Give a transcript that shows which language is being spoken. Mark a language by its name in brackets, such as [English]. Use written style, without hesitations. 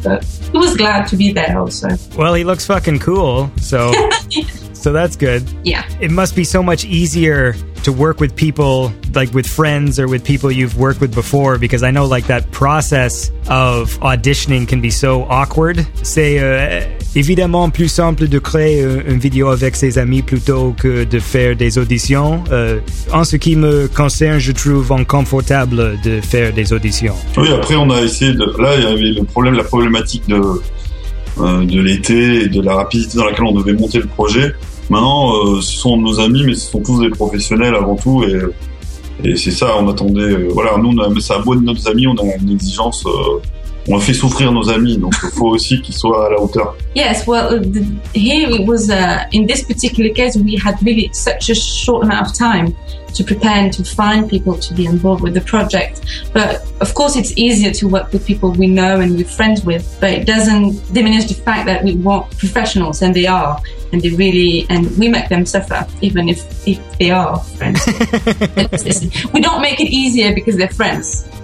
[English] But he was glad to be there also. Well, he looks fucking cool, so... So that's good. Yeah. It must be so much easier to work with people, like with friends or with people you've worked with before, because I know like that process of auditioning can be so awkward. [French] C'est évidemment plus simple de créer une vidéo avec ses amis plutôt que de faire des auditions. En ce qui me concerne, je trouve inconfortable de faire des auditions. Oui, après on a essayé de... Là, il y avait la problématique de l'été et de la rapidité dans laquelle on devait monter le projet. Maintenant, ce sont nos amis, mais ce sont tous des professionnels avant tout, et c'est ça, on attendait... voilà, nous, c'est à beau de nos amis, on a une exigence... on a fait souffrir nos amis, donc il faut aussi qu'ils soient à la hauteur. [English] Yes, well, here it was... in this particular case, we had really such a short amount of time to prepare and to find people to be involved with the project. But of course, it's easier to work with people we know and we're friends with, but it doesn't diminish the fact that we want professionals, and they are, and they really, and we make them suffer, even if they are friends. We don't make it easier because they're friends.